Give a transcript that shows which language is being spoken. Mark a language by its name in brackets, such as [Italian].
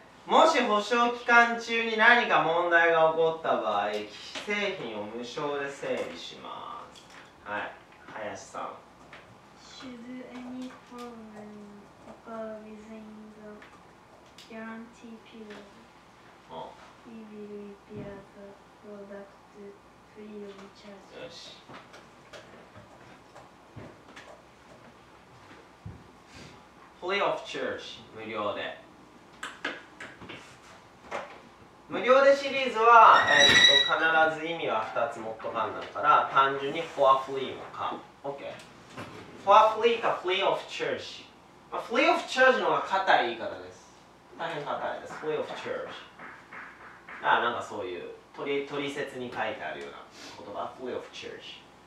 [Japanese] もし保証期間中に何か問題が起こった場合、既製品を無償で整備します。はい、林さん。 [English] Should any problem occur within the guarantee period, we will repair the product free of charge. [Japanese] よし。 Free of charge、無料で。無料でシリーズは、必ず意味は2つ持っとかんだから単純に for free のか OK for free か free of charge、まあ、free of charge の方が硬い言い方です。大変硬いです。 free of charge あ、なんかそういう取説に書いてあるような言葉 free of charge。